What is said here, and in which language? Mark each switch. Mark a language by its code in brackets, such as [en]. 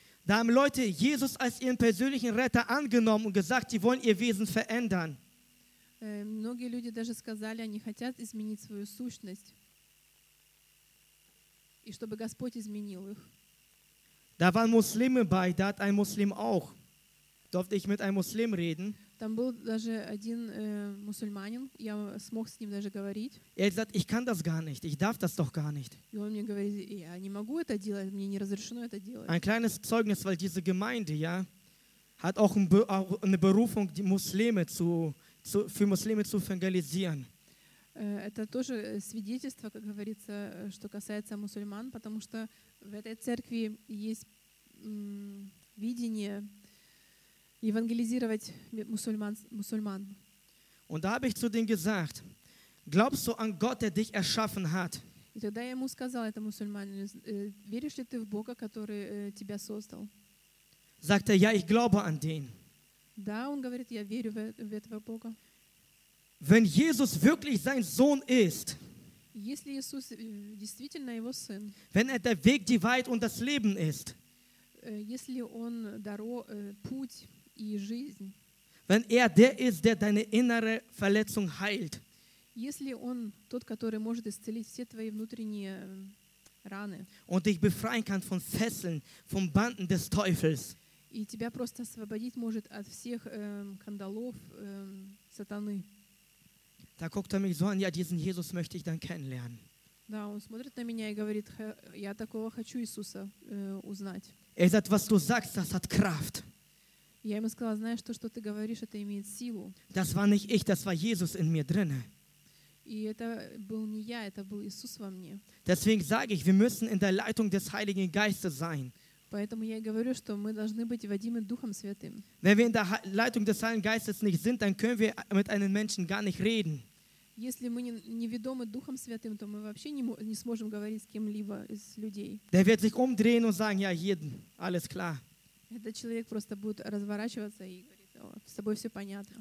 [de] Da haben Leute Jesus als ihren persönlichen Retter angenommen und gesagt, sie wollen ihr Wesen verändern. [ru] Многие люди даже сказали, они хотят изменить свою сущность. И чтобы Господь изменил их. [de] Da waren Muslime bei, da hat ein Muslim auch. Durfte ich mit einem Muslim reden? [ru] Там был даже один мусульманин, я смог с ним даже говорить. [de] Er hat gesagt, ich kann das gar nicht, ich darf das doch gar nicht. [ru] И он мне говорит, я не могу это делать, мне не разрешено это делать. [de] Ein kleines Zeugnis, weil diese Gemeinde, ja, hat auch eine Berufung, die Muslime für Muslime zu evangelisieren. [ru] Это тоже свидетельство, как говорится, что касается мусульман, потому что в этой церкви есть видение евангелизировать мусульман. [de] Und da habe ich zu denen gesagt, glaubst du an Gott, der dich erschaffen hat? [ru] И тогда я ему сказал, это мусульманин, веришь ли ты в Бога, который тебя создал? [de] Sagt er, ja, ich glaube an den. [ru] Да, он говорит, я верю в этого Бога. [de] Wenn Jesus wirklich sein Sohn ist, [ru] если Иисус действительно его сын, [de] wenn er der Weg, die Wahrheit und das Leben ist, [ru] если он путь и жизнь. [de] Wenn er der ist, der deine innere Verletzung heilt. [ru] Если он тот, который может исцелить все твои внутренние раны. [de] Und dich befreien kann von Fesseln, von Banden des Teufels. [ru] И тебя просто освободить может от всех кандалов сатаны. [de] Da guckt er mich so an, ja, diesen Jesus möchte ich dann kennenlernen. [ru] Да, он смотрит на меня и говорит, я такого хочу Иисуса узнать. [de] Er sagt, was du sagst, das hat Kraft. [ru] Я ему сказала, знаешь, то, что ты говоришь, это имеет силу. [de] Das war nicht ich, das war Jesus in mir drin. [ru] И это был не я, это был Иисус во мне. [de] Deswegen sage ich, wir müssen in der Leitung des Heiligen Geistes sein. [ru] Поэтому я и говорю, что мы должны быть водимы Духом Святым. [de] Wenn wir in der Leitung des Heiligen Geistes nicht sind, dann können wir mit einem Menschen gar nicht reden. [ru] Если мы не ведомы Духом Святым, то мы вообще не сможем говорить с кем-либо из людей. [de] Der wird sich umdrehen und sagen, ja, jeden, alles klar. [ru] Этот человек просто будет разворачиваться и говорит, с тобой все понятно.